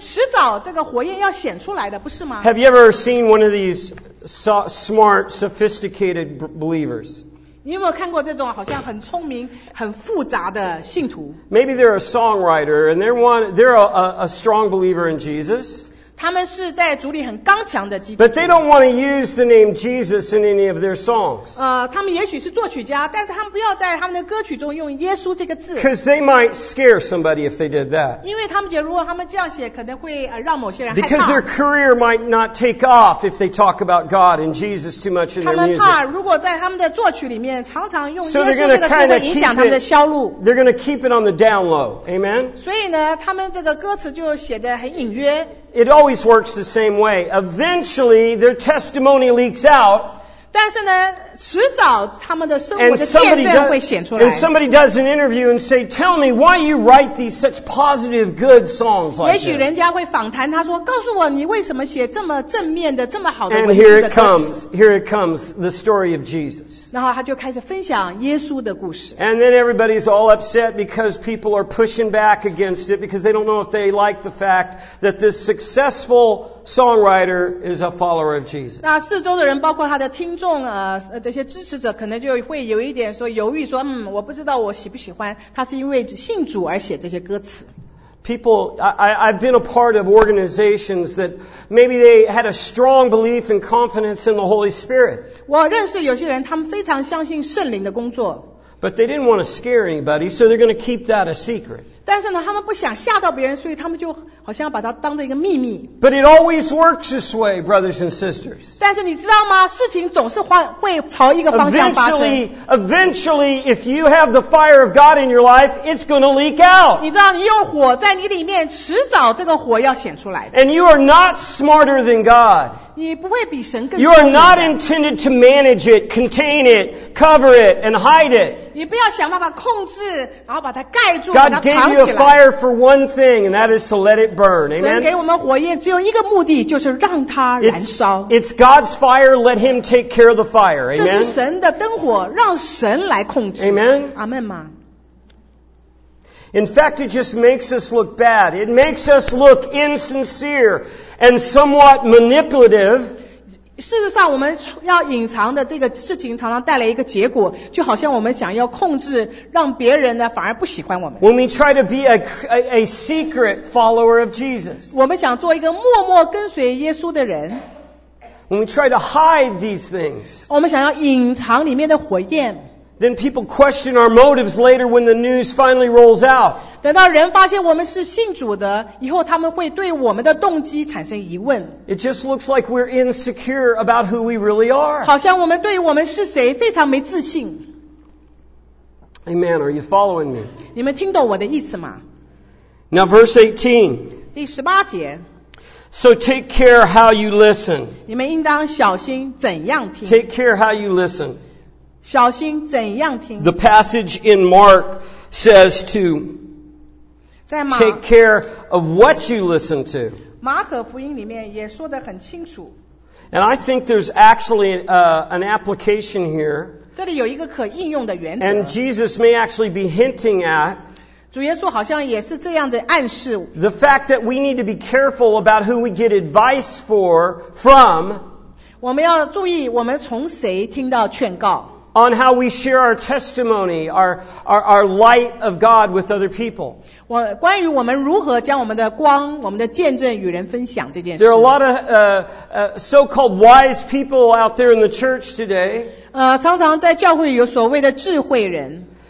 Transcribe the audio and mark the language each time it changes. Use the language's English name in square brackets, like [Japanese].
[English] Have you ever seen one of these smart, sophisticated believers? Maybe they're a songwriter and they're a strong believer in Jesus. But they don't want to use the name Jesus in any of their songs. [Chinese] 他们也许是作曲家, 但是他们不要在他们的歌曲中用耶稣这个字。 [English] Because they might scare somebody if they did that. [Chinese] 因为他们觉得如果他们这样写, 可能会让某些人害怕。 [English] Because their career might not take off if they talk about God and Jesus too much in their music. [Chinese] 他们怕如果在他们的作曲里面, 常常用耶稣这个字会影响他们的销路。 [English] They're going to keep it on the down low. Amen? [Chinese] 所以呢, 他们这个歌词就写得很隐约。 [English] It always works the same way. Eventually, their testimony leaks out. [Chinese] 但是呢，迟早他们的生活的见证会显出来。 [English] And somebody does an interview and say, "Tell me why you write these such positive, good songs like this." [Chinese] 也许人家会访谈，他说：“告诉我，你为什么写这么正面的、这么好的文字的歌词？” [English] And here it comes. Here it comes. The story of Jesus. [Chinese] 然后他就开始分享耶稣的故事。 [English] And then everybody's all upset because people are pushing back against it because they don't know if they like the fact that this successful songwriter is a follower of Jesus. [Chinese] 那四周的人，包括他的听众啊，这些支持者，可能就会有一点说犹豫说，说我不知道我喜不喜欢。他是因为信主而写这些歌词。 [English] People, I've been a part of organizations that maybe they had a strong belief and confidence in the Holy Spirit. [Chinese] 我认识有些人，他们非常相信圣灵的工作。 [English] But they didn't want to scare anybody, so they're going to keep that a secret. [Chinese] 但是呢，他们不想吓到别人，所以他们就好像把它当成一个秘密。 [English] But it always works this way, brothers and sisters. [Chinese] 但是你知道吗？事情总是会朝一个方向发生。 [English] Eventually, if you have the fire of God in your life, it's going to leak out. [Chinese] 你知道，你有火在你里面，迟早这个火要显出来的。 [English] And you are not smarter than God. You are not intended to manage it, contain it, cover it, and hide it. [Chinese] 你不要想办法控制，然后把它盖住， [English] God gave you a fire for one thing, and that is to let it burn. Amen. [Chinese] 神给我们火焰只有一个目的，就是让它燃烧。 [English] It's God's fire. Let Him take care of the fire. Amen. [Chinese] 这是神的灯火，让神来控制。 [English] Amen. [Chinese] 阿门吗？ [English] In fact, it just makes us look bad. It makes us look insincere and somewhat manipulative. [Chinese] 事实上，我们要隐藏的这个事情常常带来一个结果，就好像我们想要控制，让别人呢反而不喜欢我们。 [English] When we try to be a secret follower of Jesus, [Chinese] 我们想做一个默默跟随耶稣的人。 [English] When we try to hide these things, [Chinese] 我们想要隐藏里面的火焰。 [English] Then people question our motives later when the news finally rolls out. [Chinese] 等到人发现我们是信主的，以后他们会对我们的动机产生疑问。 [English] It just looks like we're insecure about who we really are. [Chinese] 好像我们对于我们是谁非常没自信。 [English] Amen. Are you following me? [Chinese] 你们听懂我的意思吗？ [English] Now verse 18. [Chinese] 第十八节。 [English] So take care how you listen. [Chinese] 你们应当小心怎样听。 [English] Take care how you listen. [Chinese] 小心怎样听。 [English] The passage in Mark says to take care of what you listen to. [Chinese] 马可福音里面也说得很清楚。 [English] And I think there's actually an application here. [Chinese] 这里有一个可应用的原则。 [English] And Jesus may actually be hinting at [Chinese] 主耶稣好像也是这样的暗示。 [English] The fact that we need to be careful about who we get advice for from [Chinese] 我们要注意我们从谁听到劝告。 [English] On how we share our testimony, our light of God with other people. [Chinese] 我关于我们如何将我们的光、我们的见证与人分享这件事。 [English] There are a lot of so-called wise people out there in the church today. [Chinese] 常常在教会有所谓的智慧人。